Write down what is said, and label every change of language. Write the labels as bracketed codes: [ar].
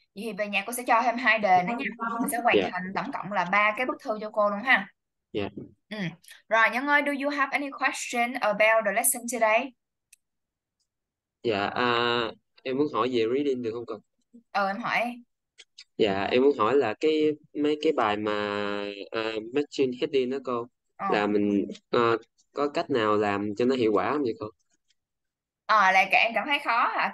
[vi] Vậy về nhà cô sẽ cho thêm hai đề nữa nha. Mình sẽ hoàn thành tổng cộng là ba cái bức thư cho cô luôn ha. Ừ. Rồi Nhân ơi, [en] do you have any question about the lesson today? [vi] Em muốn hỏi về reading được không cần? Em hỏi. Em muốn hỏi là cái mấy cái bài mà matching heading đó cô, là mình có cách nào làm cho nó hiệu quả không vậy cô? Là cả em cảm thấy khó hả?